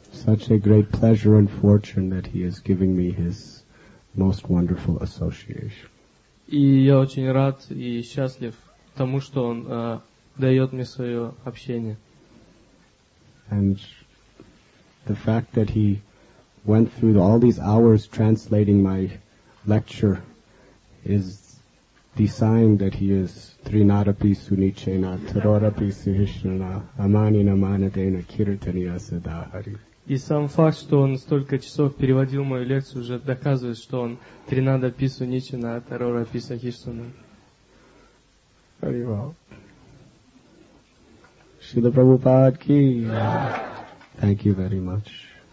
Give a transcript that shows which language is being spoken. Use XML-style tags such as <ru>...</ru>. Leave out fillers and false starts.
<en>Such a great pleasure and fortune that he is giving me his most wonderful association.</en> <ru>И я очень рад и счастлив тому, что он дает мне свое общение.</ru> <en>And the fact that he went through all these hours translating my lecture is the sign that he is</en> <sa>Trinadapi Sunichena, Tarorapi Sihishnana, Amani Namanadena, Kirtaniya Siddhahari.</sa> <ru>И сам факт, что он столько часов переводил мою лекцию, уже доказывает, что он</ru> <sa>Тринада Пису Ничина, Тарора Писа Хишсуна.</sa> <en>Very well. Шрила Прабхупада ки. Thank you very much.</en>